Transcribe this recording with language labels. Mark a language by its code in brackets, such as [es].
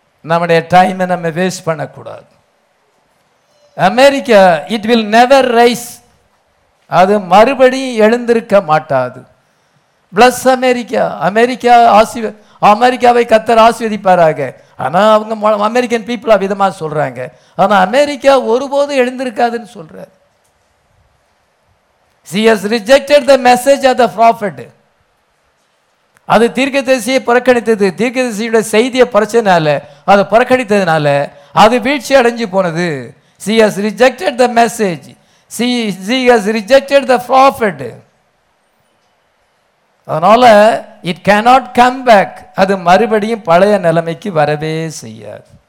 [ta] நம்முடைய டைமை நம்ம வேஸ்ட் பண்ணக்கூடாது. America [en] It will never rise. [ta] அது மறுபடியும் எழுந்திருக்க மாட்டாது. பிளஸ் அமெரிக்கா அமெரிக்கா ஆசி அமெரிக்காவை கத்தர் ஆசீர்வதிப்பாராக. ஆனால் அவங்க அமெரிக்கன் பீப்புள் அவ்விதமாக சொல்கிறாங்க. ஆனால் அமெரிக்கா ஒருபோதும் எழுந்திருக்காதுன்னு சொல்கிறார். [en] She has rejected the message of the prophet. [ta] அது தீர்க்கதரிசியை புறக்கணித்தது. தீர்க்கதரிசியுடைய செய்தியை புறச்சதுனால அதை புறக்கணித்ததுனால அது வீழ்ச்சி அடைஞ்சு போனது. [en] She has rejected the message. She has rejected the prophet. [ta] அதனால் [en] It cannot come back. [ta] அது மறுபடியும் பழைய நிலைமைக்கு வரவே செய்யாது.